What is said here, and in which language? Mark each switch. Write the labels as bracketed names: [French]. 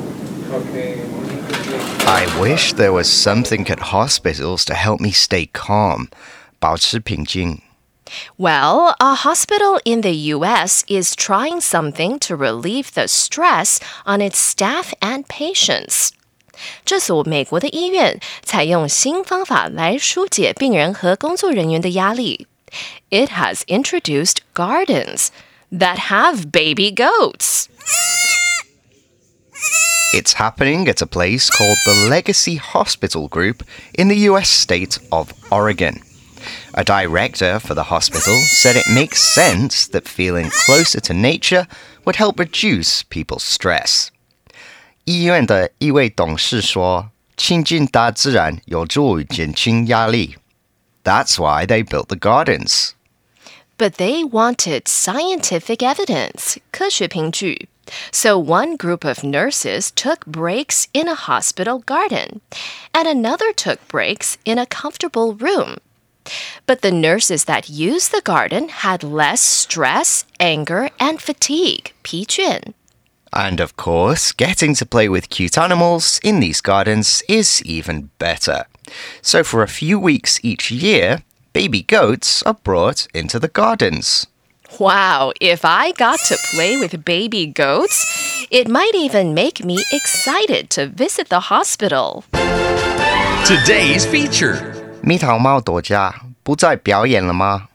[English] I wish there was something at hospitals to help me stay calm. [Chinese] 保持平静。 [English] Well, a hospital in the U.S. is trying something to relieve the stress on its staff and patients. [Chinese] 这所美国的医院采用新方法来疏解病人和工作人员的压力。 [English] It has introduced gardens that have baby goats. It's happening at a place called the Legacy Hospital Group in the U.S. state of Oregon. A director for the hospital said it makes sense that feeling closer to nature would help reduce people's stress. [Chinese] 医院的一位董事说，亲近大自然有助于减轻压力。 [English] That's why they built the gardens. But they wanted scientific evidence, [Chinese] 科学凭据。 [English] So one group of nurses took breaks in a hospital garden, and another took breaks in a comfortable room. But the nurses that used the garden had less stress, anger, and fatigue, [Chinese] 疲倦。 [English] And of course, getting to play with cute animals in these gardens is even better. So for a few weeks each year, baby goats are brought into the gardens. Wow, if I got to play with baby goats, it might even make me excited to visit the hospital. Today's feature. [Chinese] 蜜桃猫朵家不再表演了吗?